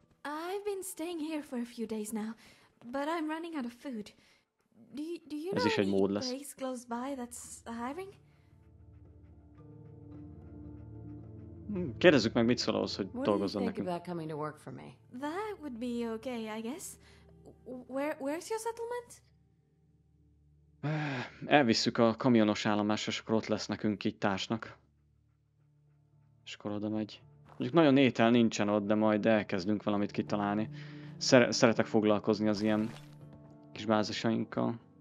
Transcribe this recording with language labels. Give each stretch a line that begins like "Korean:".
English: I've been staying here for a few days now, but I'm running out of food. Do you
Hungarian: ez is egy mód lesz.
English: Place close by that's hiring?
Hungarian: Kérdezzük meg, mit szól ahhoz, hogy dolgozzon nekünk.
English: What do you think about coming to work for me? That would be okay, I guess. Where's your settlement?
Hungarian: Elvisszük a kamionos állomásra, és akkor ott lesz nekünk így társnak. És akkor oda megy. Mondjuk nagyon étel nincsen ott, de majd elkezdünk valamit kitalálni. Szeretek foglalkozni az ilyen kis bázisainkkal.